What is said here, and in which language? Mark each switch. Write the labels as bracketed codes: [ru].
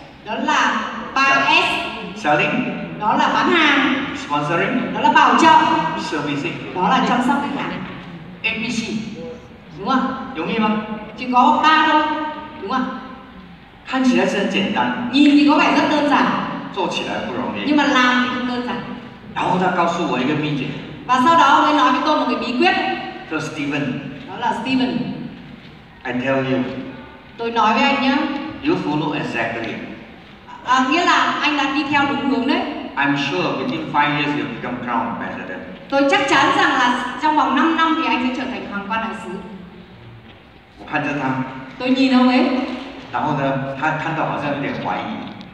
[vi] Đó là 3S. [en] Selling. [vi] Đó là bán hàng. [en] Sponsoring. [vi] Đó là bảo trợ. [en] Servicing. [vi] Đó là chăm sóc khách hàng. MPC. Đúng không? Đúng không? Chỉ có 3 thôi. Đúng không? Khán chỉ là rất giản đơn. Nhìn thì có vẻ rất đơn giản. [zh] 做起来不容易，但是做起来不容易。然后他告诉我一个秘诀。 [vi] và sau đó ông ấy nói với tôi một cái bí quyết. [en] So Steven. [vi] Đó là Steven. [en] I tell you. [vi] Tôi nói với anh nhé. [en] You follow exactly. [vi] À, nghĩa là anh đã đi theo đúng hướng đấy. [en] I'm sure within 5 years you'll become crown president. [vi] Tôi chắc chắn rằng là trong vòng 5 năm thì anh sẽ trở thành hoàng quan đại sứ. [zh] 我看着他. [vi] Tôi nhìn ông ấy. 然后呢，他看到好像有点怀疑。